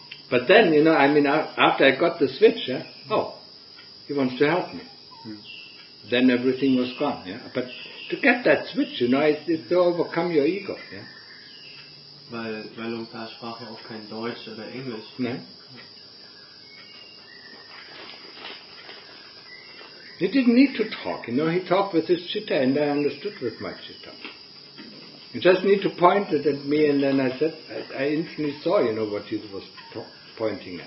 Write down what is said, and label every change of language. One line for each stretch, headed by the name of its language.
English: But then, you know, I mean, after I got the switch, he wants to help me. Yes. Then everything was gone, But to get that switch, you know, it's to overcome your ego,
German: Weil Lungpa sprach ja auch kein Deutsch oder Englisch. Nein.
English: He didn't need to talk, you know, he talked with his citta and I understood with my citta. He just need to point it at me and then I said, I instantly saw, you know, what he was talking. Pointing at.